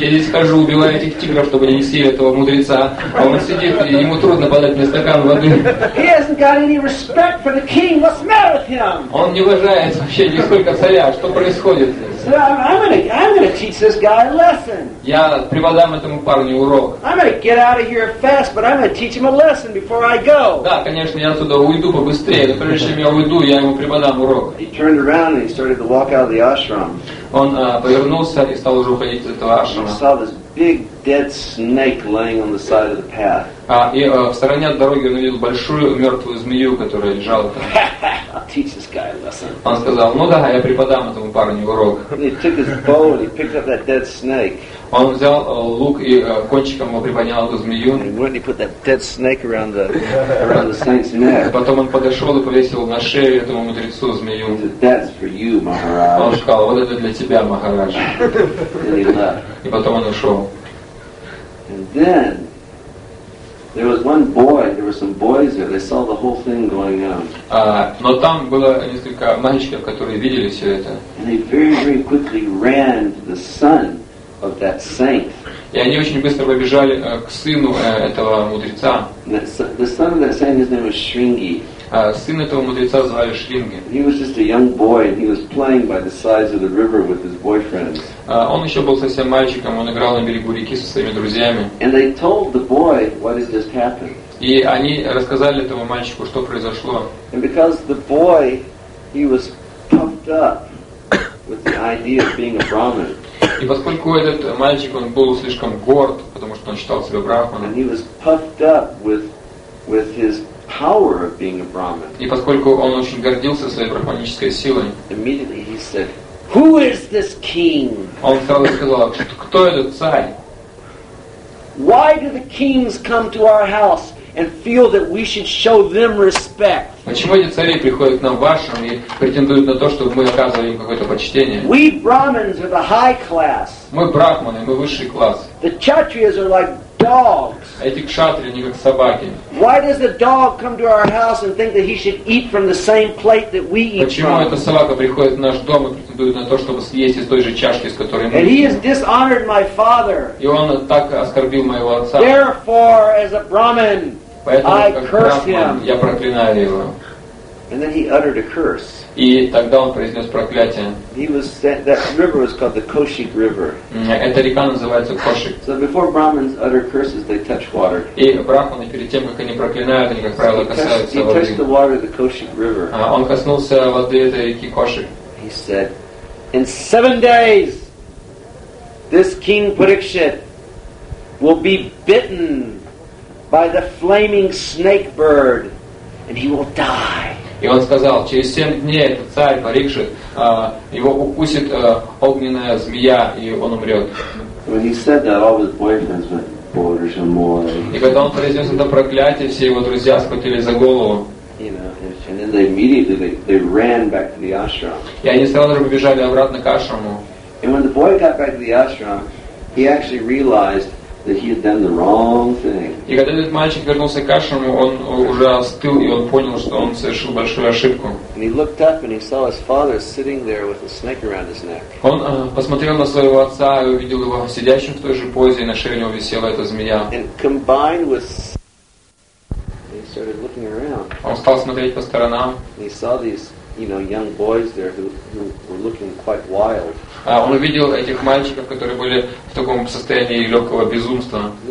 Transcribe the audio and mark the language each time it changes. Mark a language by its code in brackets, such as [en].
[ru] Я здесь хожу, убиваю этих тигров, чтобы они не съели этого мудреца. А он сидит и ему трудно подать мне стакан воды. [en] He hasn't got any respect for the king. What's the matter with him? [ru] Он не уважает вообще нисколько царя. Что происходит здесь? [en] I'm gonna teach this guy a lesson. [ru] Я преподам этому парню урок. [en] I'm gonna get out of here fast, but I'm gonna teach him a lesson before I go. [ru] Да, конечно, я отсюда уйду побыстрее, но прежде чем я уйду, я ему преподам урок. [en] He turned around and he started to walk out of the ashram. [ru] Он повернулся и стал уже уходить из этого ашрама. [en] He saw this big dead snake laying on the side of the path. [ru] В стороне от дороги он увидел большую мертвую змею, которая лежала там. [en] I'll teach this guy a lesson. [ru] Он сказал: "Ну да, я преподам этому парню урок." [en] He took his bow and he picked up that dead snake. [ru] Он взял лук и кончиком его приподнял эту змею. [en] And when he put that dead snake around the saint's neck. [ru] Потом он подошел и повесил на шею этому мудрецу змею. [en] He said, "That's for you, Maharaj." [ru] Он сказал: "Вот это для тебя, Махарадж." И потом он ушел. [en] And then there was one boy. There were some boys there. They saw the whole thing going on. [ru] Но там было несколько мальчиков, которые видели все это. [en] And they very, very quickly ran to the son of that saint. [ru] И они очень быстро побежали к сыну этого мудреца. [en] The son of that saint, his name was Шринги. [ru] Сын этого мудреца звали Шринги. [en] He was just a young boy, and he was playing by the sides of the river with his boyfriends. [ru] Он еще был совсем мальчиком, он играл на берегу реки со своими друзьями. [en] And they told the boy what has just happened. [ru] И они рассказали этому мальчику, что произошло. [en] And because the boy, he was puffed up with the idea of being a brahmin. [ru] И поскольку этот мальчик, он был слишком горд, потому что он считал себя брахманом. [en] And he was puffed up with his power of being a brahmin. [ru] И поскольку он очень гордился своей брахманической силой. [en] Immediately he said, "Who is this king?" [ru] Он сразу сказал: "Кто этот царь?" [en] Why do the kings come to our house and feel that we should show them respect? [ru] Почему эти цари приходят к нам в ваш дом и претендуют на то, чтобы мы оказывали им какое-то почтение? [en] We brahmins are the high class. [ru] Мы брахманы, мы высший класс. [en] The kshatriyas are like dogs. [ru] Эти кшатрии, они как собаки. [en] Why does the dog come to our house and think that he should eat from the same plate that we eat? [ru] Почему эта собака приходит в наш дом и претендует на то, чтобы съесть из той же чашки, с которой мы едим? [en] And he has dishonored my father. [ru] И он так оскорбил моего отца. [en] Therefore, as a brahmin, I curse him. [ru] Я проклинаю его. [en] And then he uttered a curse. [ru] И тогда он произнес проклятие. [en] He was sent, that river was called the Koshik River. [ru] Эта река называется Кошик. [en] So before brahmins utter curses, they touch water. [ru] И брахманы перед тем, как они проклинают, они как правило касаются воды. [en] He touched the water of the Koshik River. [ru] Он коснулся воды этой реки Кошик. [en] He said, "In 7 days, this king Parikshit will be bitten by the flaming snake bird, and he will die." [ru] И он сказал: через 7 дней этот царь Парикшит, его укусит огненная змея, и он умрет. [en] When he said that, all his boyfriends went, "Boy, more." [ru] И когда он произнес это проклятие, все его друзья схватили за голову. [en] And then they immediately they ran back to the ashram. [ru] И они сразу же побежали обратно к ашраму. [en] And when the boy got back to the ashram, he actually realized that he had done the wrong thing. [ru] И когда этот мальчик вернулся к ашраму, он уже остыл, и он понял, что он совершил большую ошибку. [en] And he looked up and he saw his father sitting there with a snake around his neck. [ru] Он посмотрел на своего отца и увидел его сидящим в той же позе, и на шее у него висела эта змея. [en] And combined with, he started looking around. [ru] Он стал смотреть по сторонам. [en] And he saw these, you know, young boys there who were looking quite wild. [ru] Он увидел этих мальчиков, которые были в таком состоянии легкого безумства.